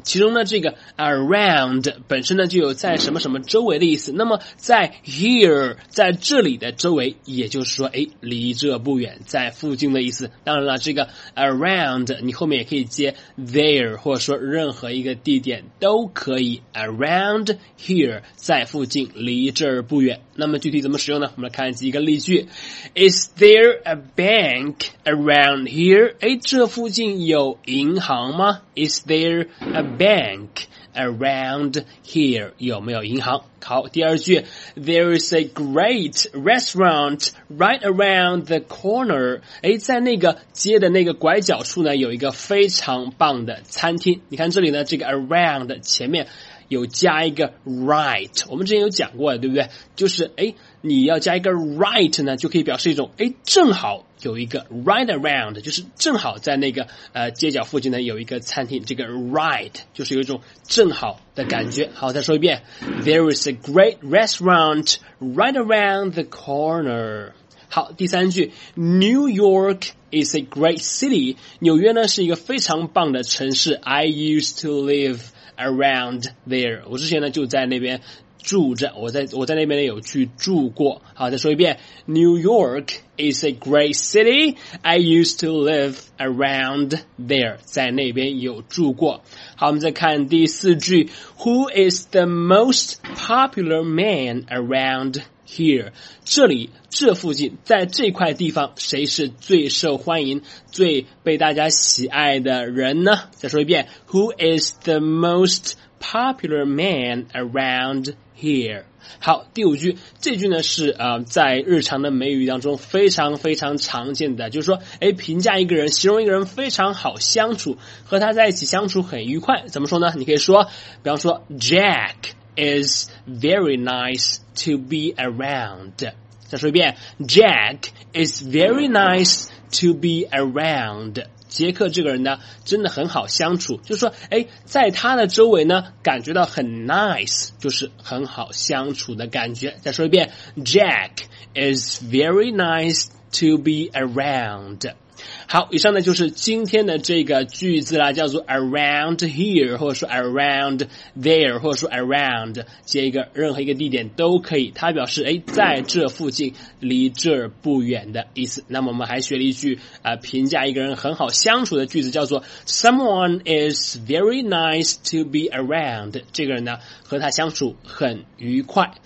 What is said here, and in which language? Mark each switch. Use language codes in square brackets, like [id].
[zh] 其中呢，这个 around 本身呢就有在什么什么周围的意思。那么在 here 在这里的周围，也就是说，哎，离这不远，在附近的意思。当然了，这个 around 你后面也可以接 there， 或者说任何一个地点都可以。 around here 在附近，离这儿不远。那么具体怎么使用呢？我们来看几个例句。 [en] Is there a bank around here？ [zh] 哎，这附近有银行吗？ [en] Is there a bank around here？ [zh] 有没有银行？好，第二句。 [en] There is a great restaurant right around the corner。 [zh] 哎，在那个街的那个拐角处呢，有一个非常棒的餐厅。你看这里呢，这个 around 前面有加一个 right， 我们之前有讲过了，对不对？就是哎，你要加一个 right 呢，就可以表示一种哎，正好有一个 right around， 就是正好在那个街角附近呢有一个餐厅，这个 right 就是有一种正好的感觉。好，再说一遍 [en] ，There is a great restaurant right around the corner。 [zh] 好，第三句 [en] ，New York is a great city。 [zh] 纽约呢是一个非常棒的城市。 [en] I used to live around there， [zh] 我之前呢就在那边住着，我在那边呢有去住过。好，再说一遍 [en] ，New York is a great city。 I used to live around there， [zh] 在那边有住过。好，我们再看第四句 [en] ，Who is the most popular man around here？ [zh] 这里这附近，在这块地方，谁是最受欢迎、最被大家喜爱的人呢？再说一遍 [en] ，Who is the most popular man around here？ [zh] 好，第五句，这句呢是在日常的美语当中非常非常常见的，就是说，哎，评价一个人，形容一个人非常好相处，和他在一起相处很愉快，怎么说呢？你可以说，比方说 [en] ，Jack is very nice to be around。 [zh] 再说一遍 [en] ，Jack is very nice to be around。 [zh] 杰克这个人呢，真的很好相处，就是说，哎，在他的周围呢，感觉到很 nice， 就是很好相处的感觉。再说一遍 [en] ，Jack is very nice to be around。 [zh] 好，以上呢就是今天的这个句子啦，叫做 around here， 或者说 around there， 或者说 around 接一个任何一个地点都可以，它表示哎，在这附近，离这儿不远的意思。那么我们还学了一句评价一个人很好相处的句子，叫做 [en] someone is very nice to be around， [zh] 这个人呢和他相处很愉快。